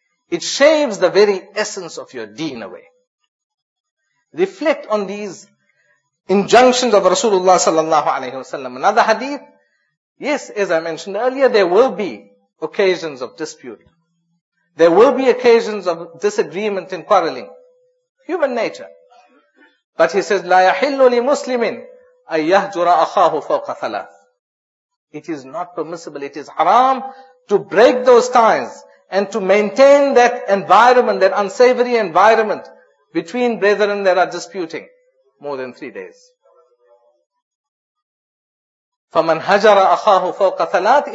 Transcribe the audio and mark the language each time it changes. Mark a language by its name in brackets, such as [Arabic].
[English] It shaves the very essence of your deen away. Reflect on these injunctions of Rasulullah sallallahu alayhi wa sallam. Another hadith, yes, as I mentioned earlier, there will be occasions of dispute. There will be occasions of disagreement and quarreling. Human nature. But he says, [Arabic] لَا يَحِلُّ لِمُسْلِمٍ أَن يَهْجُرَ أَخَاهُ فَوْقَ ثَلَاثٍ. [English] It is not permissible, it is haram to break those ties and to maintain that environment, that unsavory environment between brethren that are disputing more than 3 days. [Arabic] فَمَنْ هَجَرَ أَخَاهُ فَوْقَ ثَلَاثٍ.